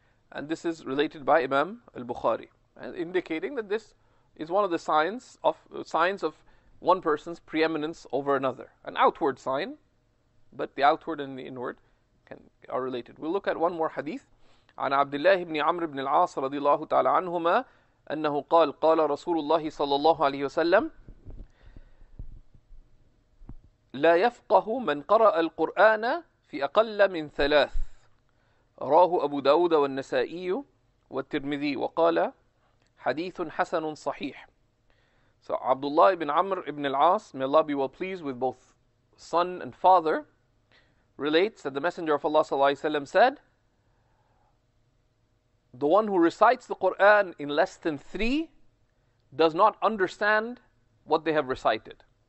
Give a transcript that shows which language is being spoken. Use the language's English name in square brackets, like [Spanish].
[English] And this is related by Imam al-Bukhari, indicating that this is one of the signs of one person's preeminence over another. An outward sign, but the outward and the inward are related. We'll look at one more hadith. [Arabic] عن عبد الله بن عمرو بن العاص رضي الله تعالى عنهما أنه قال قال رسول الله صلى الله عليه وسلم لا يفقه من قرأ القرآن في أقل من ثلاث رواه أبو داود والنسائي والترمذي وقال حديث حسن صحيح. [English] So Abdullah ibn Amr ibn al-As, may Allah be well pleased with both son and father, relates that the Messenger of Allah sallallahu alayhi wa sallam said, the one who recites the Qur'an in less than three does not understand what they have recited.